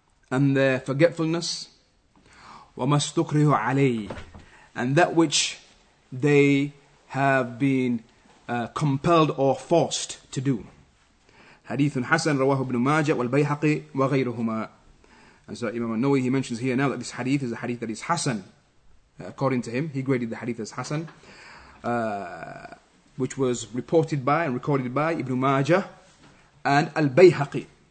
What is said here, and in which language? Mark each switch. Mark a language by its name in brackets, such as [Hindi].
[English] And their forgetfulness, [Arabic] وَمَا اسْتُكْرِهُ عَلَيْهِ, [English] and that which they have been compelled or forced to do. [Arabic] حديث حسن رواه ابن ماجة والبيحقي وغيرهما. [English] And so Imam An-Nawawi, he mentions here now that this hadith is a hadith that is Hasan. According to him, he graded the hadith as Hasan, which was reported by and recorded by Ibn Majah and Al-Bayhaqi.